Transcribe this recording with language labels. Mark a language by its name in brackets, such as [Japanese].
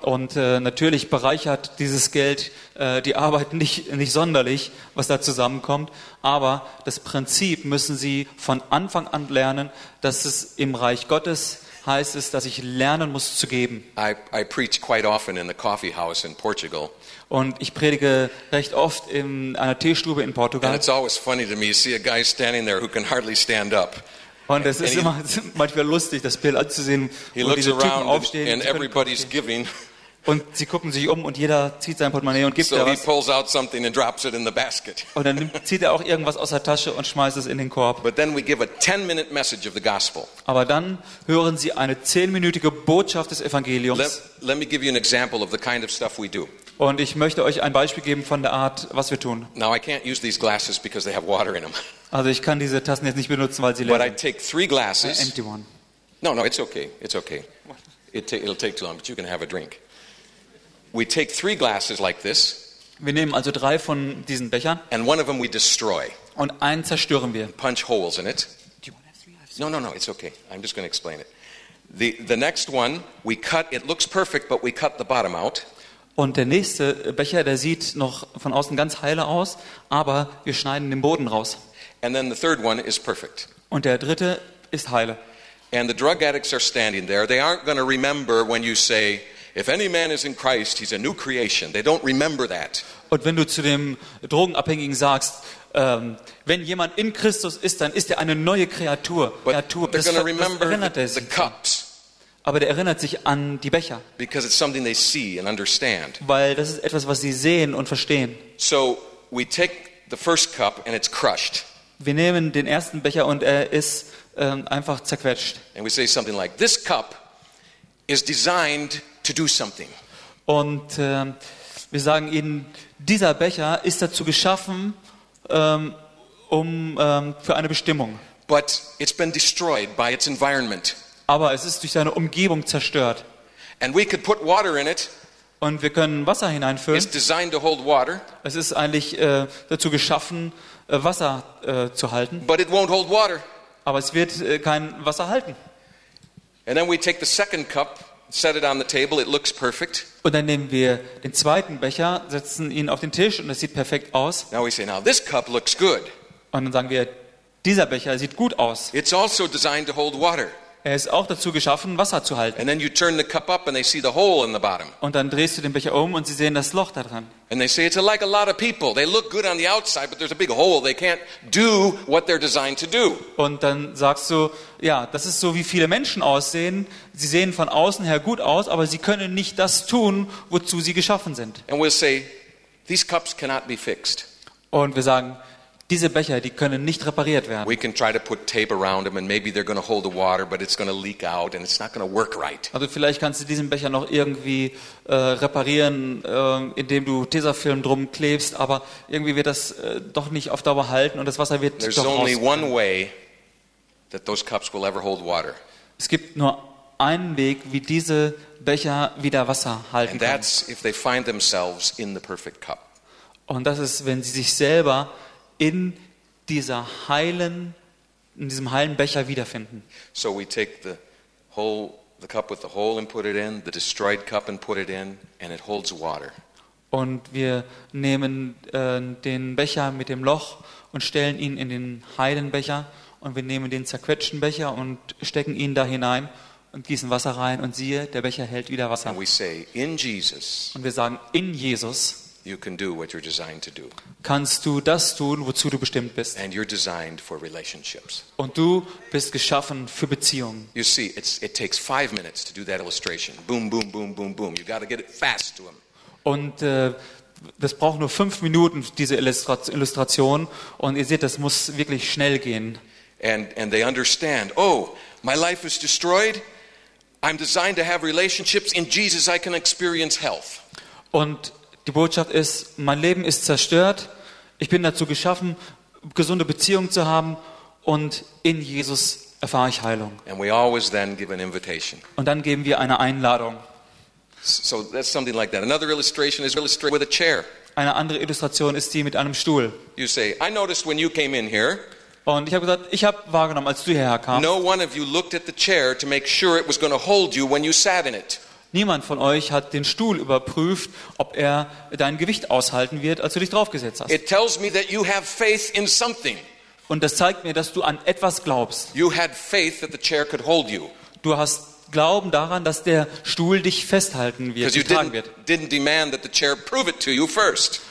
[German] Und natürlich bereichert dieses Geld die Arbeit nicht sonderlich, was da zusammenkommt, aber das Prinzip müssen sie von Anfang an lernen, dass es im Reich Gottes heißt es, dass ich lernen muss zu geben. [English] I preach quite often in the coffee house in Portugal. [German] Und ich predige recht oft in einer Teestube in Portugal. [English] And it's always funny to me to see a guy standing there who can hardly stand up. [German] Und es ist immer manchmal lustig, das Bild anzusehen, wo diese Typen aufstehen. [English] And everybody's giving. [German] Und sie gucken sich um und jeder zieht sein Portemonnaie und gibt so da was. [English] He pulls out something and drops it in the basket. [German] Und dann zieht auch irgendwas aus der Tasche und schmeißt es in den Korb. [English] But then we give a 10-minute message of the gospel. [German] Aber dann hören sie eine 10-minütige Botschaft des Evangeliums. [English] Let me give you an example of the kind of stuff we do. [German] Und ich möchte euch ein Beispiel geben von der Art, was wir tun. [English] Now I can't use these glasses because they have water in them. [German] Also ich kann diese Tassen jetzt nicht benutzen, weil sie leer sind. [English] But I take 3 glasses. Empty one. No, it's okay. It's okay. It'll take too long, but you can have a drink. We take 3 glasses like this. [German] Wir nehmen also 3 von diesen Bechern. [English] And one of them we destroy. [German] Und einen zerstören wir. [English] Punch holes in it. Do you want to have 3? No, it's okay. I'm just going to explain it. The next one we cut. It looks perfect, but we cut the bottom out. [German] Und der nächste Becher, der sieht noch von außen ganz heile aus, aber wir schneiden den Boden raus. [English] And then the third one is perfect. [German] Und der dritte ist heile. [English] And the drug addicts are standing there. They aren't going to remember when you say, if any man is in Christ, he's a new creation. They don't remember that. [German] Und wenn du zu dem Drogenabhängigen sagst, wenn jemand in Christus ist, dann ist er eine neue Kreatur. [English] They're going to remember the cups. [German] Aber der erinnert sich an die Becher. [English] Because it's something they see and understand. [German] Weil das ist etwas, was sie sehen und verstehen. [English] So we take the first cup and it's crushed. [German] Wir nehmen den ersten Becher und er ist einfach zerquetscht. [English] And we say something like, this cup is designed to do something. [German] Und wir sagen ihnen, dieser Becher ist dazu geschaffen, für eine Bestimmung. [English] But it's been destroyed by its environment. [German] Aber es ist durch seine Umgebung zerstört. [English] And we could put water in it. [German] Und wir können Wasser hineinfüllen. [English] It's designed to hold water. [German] Es ist eigentlich dazu geschaffen, Wasser zu halten. [English] But it won't hold water. [German] Aber es wird kein Wasser halten. [English] And then we take the second cup. Set it on the table. It looks perfect. [German] Und dann nehmen wir den zweiten Becher, setzen ihn auf den Tisch und es sieht perfekt aus. [English] Now we say, now this cup looks good. [German] Und dann sagen wir, dieser Becher sieht gut aus. [English] It's also designed to hold water. [German] Er ist auch dazu geschaffen, Wasser zu halten. [English] And then you turn the cup up and they see the hole in the bottom. [German] Und dann drehst du den Becher um und sie sehen das Loch da dran. [English] And they say it's like a lot of people. They look good on the outside, but there's a big hole. They can't do what they're designed to do. [German] Und dann sagst du, ja, das ist so wie viele Menschen aussehen. Sie sehen von außen her gut aus, aber sie können nicht das tun, wozu sie geschaffen sind. [English] And we'll say these cups cannot be fixed. [German] Und wir sagen, diese Becher, die können nicht repariert werden. [English] We can try to put tape around them and maybe they're going to hold the water, but it's going to leak out and it's not going to work right. [German] Also vielleicht kannst du diesen Becher noch irgendwie reparieren, indem du Tesafilm drum klebst, aber irgendwie wird das doch nicht auf Dauer halten und das Wasser wird [English] There's [German] doch raus. [English] There's only one way that those cups will ever hold water. [German] Es gibt nur einen Weg, wie diese Becher wieder Wasser halten können. [English] And that's if they find themselves in the perfect cup. [German] Und das ist, wenn sie sich selber in dieser heilen, in diesem heilen Becher wiederfinden. [English] So we take the cup with the hole and put it in, the destroyed cup and put it in, and it holds water. [German] Und wir nehmen den Becher mit dem Loch und stellen ihn in den heilen Becher und wir nehmen den zerquetschten Becher und stecken ihn da hinein und gießen Wasser rein und siehe, der Becher hält wieder Wasser. [English] And we say, in Jesus. [German] Und wir sagen, in Jesus. [English] You can do what you're designed to do. [German] Kannst du das tun, wozu du bestimmt bist? [English] And you're designed for relationships. [German] Und du bist geschaffen für Beziehungen. [English] You see, it takes 5 minutes to do that illustration. Boom, boom, boom, boom, boom. You got to get it fast to him. [German] Und das braucht nur 5 Minuten diese Illustration. Und ihr seht, das muss wirklich schnell gehen. [English] And they understand. Oh, my life is destroyed. I'm designed to have relationships. In Jesus, I can experience health. [German] Und die Botschaft ist, mein Leben ist zerstört. Ich bin dazu geschaffen, gesunde Beziehungen zu haben und in Jesus erfahre ich Heilung. [English] And we always then give an invitation. [German] Und dann geben wir eine Einladung. [English] So that's something like that. Another illustration is illustrated with a chair. [German] Eine andere Illustration ist die mit einem Stuhl. [English] You say, I noticed when you came in here. [German] Und ich habe gesagt, ich habe wahrgenommen, als du hierher kamst. [English] No one of you looked at the chair to make sure it was going to hold you when you sat in it. [German] Niemand von euch hat den Stuhl überprüft, ob er dein Gewicht aushalten wird, als du dich draufgesetzt hast. [English] It tells me that you have faith in something. [German] Und das zeigt mir, dass du an etwas glaubst. [English] You had faith that the chair could hold you. [German] Du hast Glauben daran, dass der Stuhl dich festhalten wird, dich tragen wird. [English] Didn't demand that the chair prove it to you first.